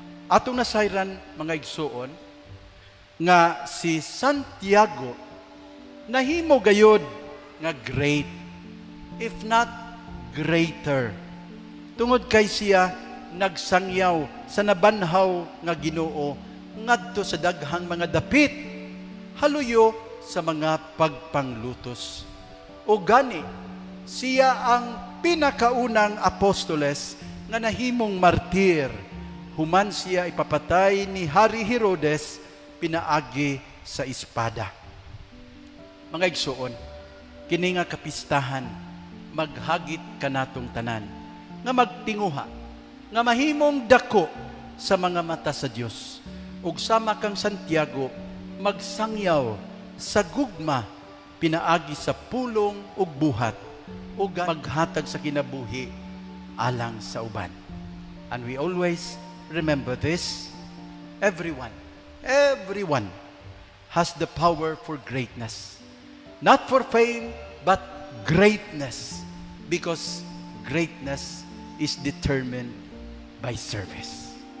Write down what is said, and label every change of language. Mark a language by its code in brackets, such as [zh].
[ceb] Atong nasayran mga igsuon nga si Santiago nahimo gayod nga [en] great, if not greater, [ceb] tungod kay siya nagsangyaw sa nabanhaw nga Ginoo ngadto sa daghang mga dapit haluyo sa mga pagpanglutos. O gani siya ang pinakaunang apostoles nga nahimong martir human siya ipapatay ni Hari Herodes pinaagi sa espada. Mga igsuon, kini nga kapistahan, maghagit kanatong tanan nga magtinguha nga mahimong dako sa mga mata sa Dios ug sama kang Santiago magsangyaw sa gugma pinaagi sa pulong ug buhat ug maghatag sa kinabuhi alang sa uban. [en] And we always remember this, everyone has the power for greatness, not for fame but greatness, because greatness is determined by service.